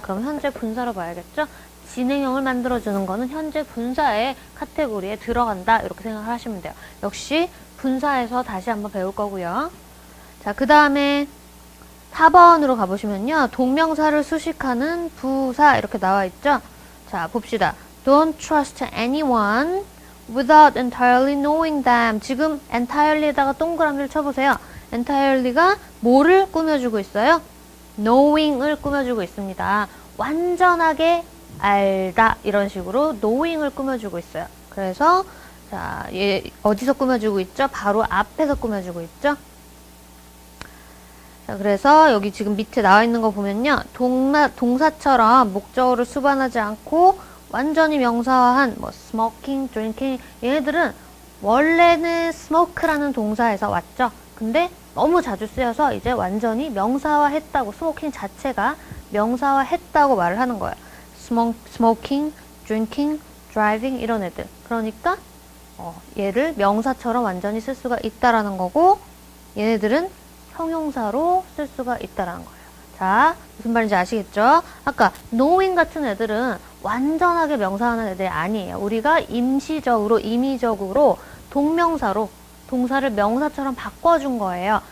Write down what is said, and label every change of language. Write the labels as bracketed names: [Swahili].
[Korean] 그럼 현재 분사로 봐야겠죠? 진행형을 만들어주는 거는 현재 분사의 카테고리에 들어간다. 이렇게 생각을 하시면 돼요. 역시 분사에서 다시 한번 배울 거고요. 자, 그 다음에 4번으로 가보시면요. 동명사를 수식하는 부사. 이렇게 나와 있죠? 자, 봅시다. Don't trust anyone. [English] without entirely knowing them. [Korean] 지금 entirely에다가 동그라미를 쳐보세요. entirely가 뭐를 꾸며주고 있어요? knowing을 꾸며주고 있습니다. 완전하게 알다 이런 식으로 knowing을 꾸며주고 있어요. 그래서 자, 얘 어디서 꾸며주고 있죠? 바로 앞에서 꾸며주고 있죠? 자, 그래서 여기 지금 밑에 나와 있는 거 보면요. 동사처럼 목적어를 수반하지 않고 완전히 명사화한 뭐 smoking, drinking 얘네들은 원래는 smoke라는 동사에서 왔죠. 근데 너무 자주 쓰여서 이제 완전히 명사화했다고 smoking 자체가 명사화했다고 말을 하는 거예요. smoking, drinking, driving 이런 애들. 그러니까 얘를 명사처럼 완전히 쓸 수가 있다라는 거고 얘네들은 형용사로 쓸 수가 있다라는 거예요. 자, 무슨 말인지 아시겠죠? 아까 knowing 같은 애들은 완전하게 명사하는 애들이 아니에요. 우리가 임시적으로, 임의적으로 동명사로 동사를 명사처럼 바꿔준 거예요.